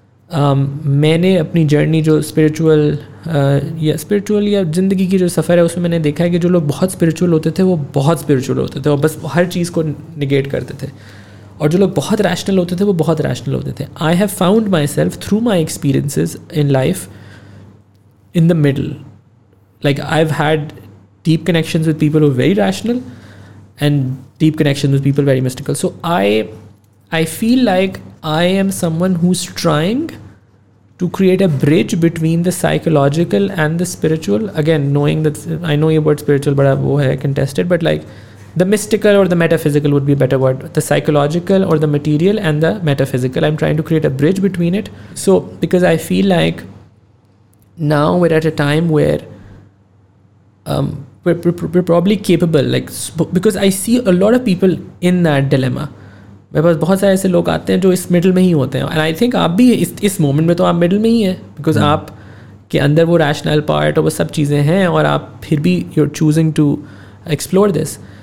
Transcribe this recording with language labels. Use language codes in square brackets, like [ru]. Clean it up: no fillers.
[ur] میں نے اپنی جرنی جو اسپریچول یا اسپریچول یا زندگی کی جو سفر ہے اس میں میں نے دیکھا ہے کہ جو لوگ بہت اسپریچول ہوتے تھے وہ بہت اسپریچول ہوتے تھے اور بس ہر چیز کو نگیٹ کرتے تھے, اور جو لوگ بہت ریشنل ہوتے تھے وہ بہت ریشنل ہوتے تھے. [en] I have found myself through my experiences in life in the middle. Like I have had deep connections with people who very rational and deep connections with people very mystical. So I feel like I am someone who's trying to create a bridge between the psychological and the spiritual. Again knowing that I know your word spiritual [ur] بڑا وہ ہے [en] Contested, but like the mystical اور دا meta physical would be better word, the psychological اور the material and the meta physical. I am trying to create a bridge between it. So because I feel like now where at a time where we're probably capable, like because I see a lot of people in that dilemma. [ur] میرے پاس بہت سارے ایسے لوگ آتے ہیں جو اس middle میں ہی ہوتے ہیں, [en] and I think [ur] آپ بھی اس مومنٹ میں تو آپ مڈل میں ہی ہیں بیکاز آپ کے اندر وہ ریشنل پارٹ اور وہ سب چیزیں ہیں اور آپ پھر بھی [en] You are choosing to explore this.